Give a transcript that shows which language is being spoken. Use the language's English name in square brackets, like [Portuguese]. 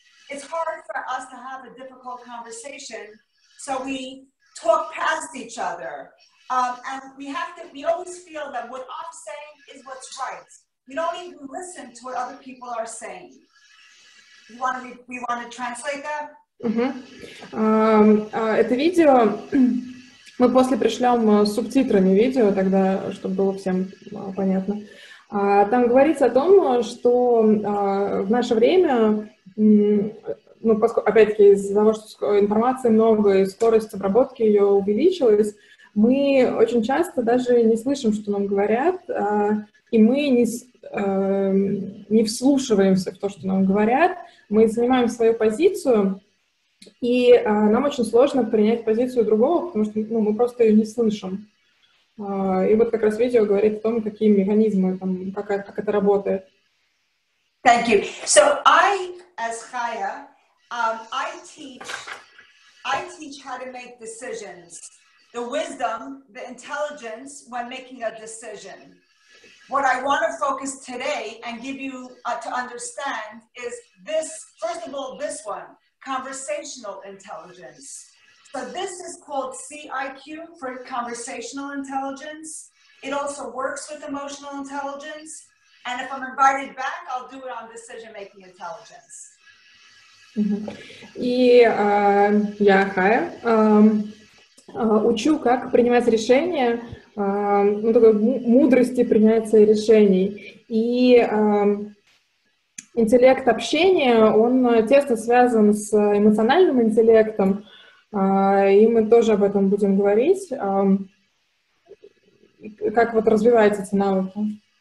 [English] It's hard for us to have a difficult conversation, so we talk past each other. And we always feel that what I'm saying is what's right. We don't even listen to what other people are saying. We want to translate that? [Russian] Это видео мы после пришлем субтитрами видео, тогда, чтобы было всем понятно. Там говорится о том, что в наше время, ну, поскольку, опять-таки, из-за того, что информации много и скорость обработки ее увеличилась, мы очень часто даже не слышим, что нам говорят, и мы не вслушиваемся в то, что нам говорят, мы занимаем свою позицию. И нам очень сложно принять позицию другого, потому что, ну, мы просто ее не слышим. И вот как раз видео говорит о том, какие механизмы, там, как это работает. [English] Thank you. So I, as Chaya, I teach how to make decisions. The wisdom, the intelligence when making a decision. What I want to focus today and give you to understand is this, first of all, this one. Conversational intelligence. So this is called CIQ for conversational intelligence. It also works with emotional intelligence. And if I'm invited back, I'll do it on decision-making intelligence. [Russian] И я, Хая, учу, как принимать решения, ну, такой мудрости принятия решений. И интеллект общения, он тесно связан с эмоциональным интеллектом, и мы тоже об этом будем говорить, как вот развиваются эти навыки.